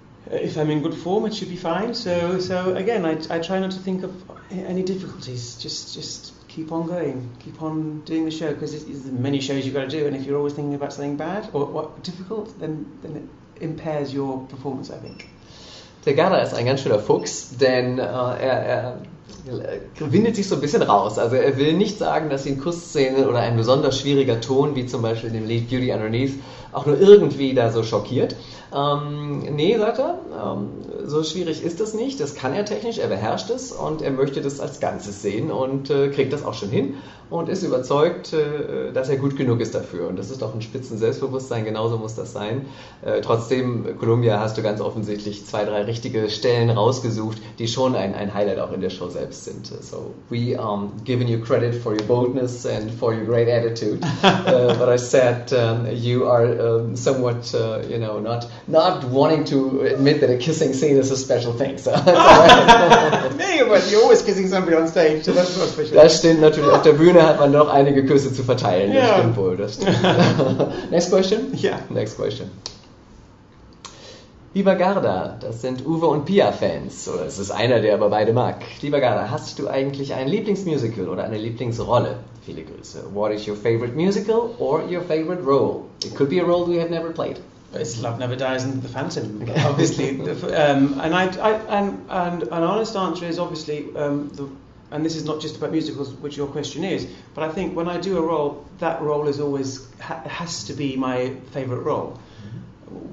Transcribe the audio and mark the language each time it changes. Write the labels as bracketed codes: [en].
[en] If I'm in good form, it should be fine. So again, I try not to think of any difficulties. Just keep on going, keep on doing the show, because it's the many shows you've got to do. And if you're always thinking about something bad or what difficult, then it impairs your performance, I think. [de] Der Gerda ist ein ganz schöner Fuchs, denn er windet sich so ein bisschen raus. Also er will nicht sagen, dass ihn Kussszenen oder ein besonders schwieriger Ton, wie zum Beispiel in dem Lied Beauty Underneath, auch nur irgendwie da so schockiert. Nee, sagt er, so schwierig ist das nicht. Das kann er technisch, er beherrscht es und er möchte das als Ganzes sehen und kriegt das auch schon hin und ist überzeugt, dass er gut genug ist dafür. Und das ist doch ein spitzen Selbstbewusstsein, genauso muss das sein. Trotzdem, Columbia, hast du ganz offensichtlich 2, 3 richtige Stellen rausgesucht, die schon ein Highlight auch in der Show selbst sind. [en] So, we are giving you credit for your boldness and for your great attitude. But I said, you are somewhat, you know, not wanting to admit that a kissing scene is a special thing. So. Nee, but you're always kissing somebody on stage, so that's not special. [de] Das stimmt natürlich. Auf der Bühne hat man noch einige Küsse zu verteilen. Yeah. Das stimmt wohl. Das stimmt. Next question? [en] Yeah. Next question. [de] Lieber Gerda, das sind Uwe und Pia Fans. Oder es ist einer, der aber beide mag. Lieber Gerda, hast du eigentlich ein Lieblingsmusical oder eine Lieblingsrolle? Viele Grüße. [en] What is your favorite musical or your favorite role? It could be a role we have never played. It's Love Never Dies and The Phantom, obviously. and an honest answer is obviously, and this is not just about musicals, which your question is, but I think when I do a role, that role is always, has to be my favourite role, mm-hmm.